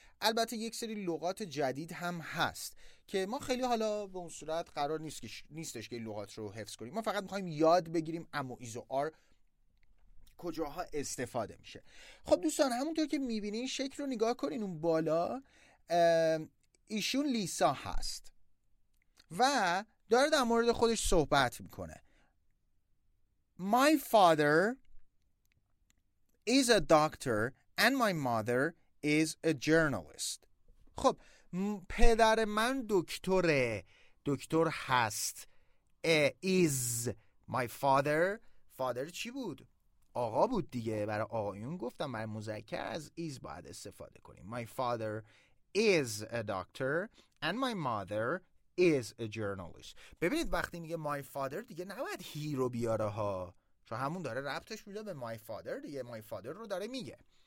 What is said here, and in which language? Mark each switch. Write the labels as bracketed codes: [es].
[fa] البته یک سری لغات جدید هم هست که ما خیلی حالا به اون صورت قرار نیستش که این لغات رو حفظ کنیم. ما فقط میخواییم یاد بگیریم ام و ایز و آر کجاها استفاده میشه. خب دوستان، همونطور که میبینین شکل رو نگاه کنین اون بالا، ایشون لیسا هست و داره در مورد خودش صحبت میکنه. [en] My father is a doctor and my mother is a journalist. [fa] خب پدر من دکتره، دکتر هست. [en] Is my father. [fa] Father چی بود؟ آقا بود دیگه. برای آقایون گفتم برای مذکر از is باید استفاده کنیم. [en] My father is a doctor and my mother is a journalist. [fa] ببینید وقتی میگه my father دیگه نباید he رو بیاره ها، چون همون داره ربطش میده به my father دیگه. My father رو داره میگه.